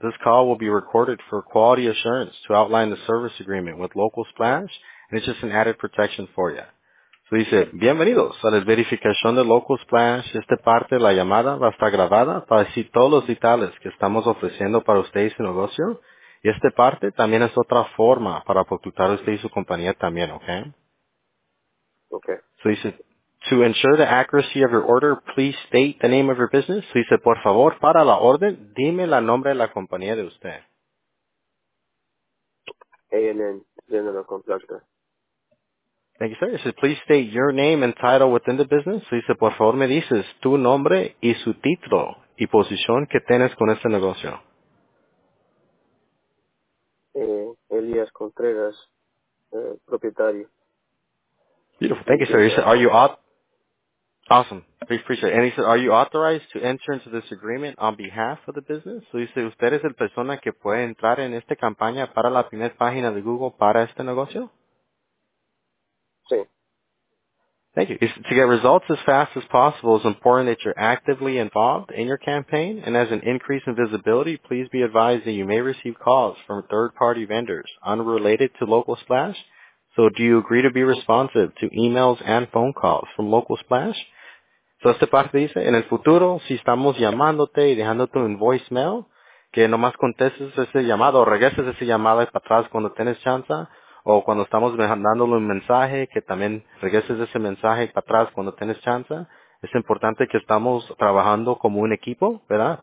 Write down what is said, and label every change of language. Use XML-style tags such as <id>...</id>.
<en>This call will be recorded for quality assurance to outline the service agreement with Local Splash, and it's just an added protection for you. So he said,</en> <es>bienvenidos a la verificación de Local Splash. Esta parte de la llamada va a estar grabada para decir todos los detalles que estamos ofreciendo para usted y su negocio. Y esta parte también es otra forma para protegerse a usted y su compañía también, okay?</es> <en>Okay. So he said, to ensure the accuracy of your order, please state the name of your business. So he said,</en> <es>por favor, para la orden, dime el nombre de la compañía de usted.</es> <en>A&N, General Contractor. Thank you, sir. He said, please state your name and title within the business. So he said,</en> <es>por favor, me dices tu nombre y su título y posición que tienes con este negocio. Elias Contreras, propietario.</es> <en>Beautiful. Thank you, sir. He said, are you out? Awesome. We appreciate it. And he said, are you authorized to enter into this agreement on behalf of the business? So he said,</en> <es>¿usted es el persona que puede entrar en esta campaña para la primera página de Google para este negocio? Sí.</es> <en>Thank you. Said, to get results as fast as possible, it's important that you're actively involved in your campaign. And as an increase in visibility, please be advised that you may receive calls from third-party vendors unrelated to Local Splash. So, do you agree to be responsive to emails and phone calls from Local Splash?</en> <es>So, esta parte dice, en el futuro, si estamos llamándote y dejándote un voicemail, que nomás contestes ese llamado, o regreses ese llamado para atrás cuando tienes chance, o cuando estamos mandándole un mensaje, que también regreses ese mensaje para atrás cuando tienes chance, es importante que estamos trabajando como un equipo, ¿verdad?</es>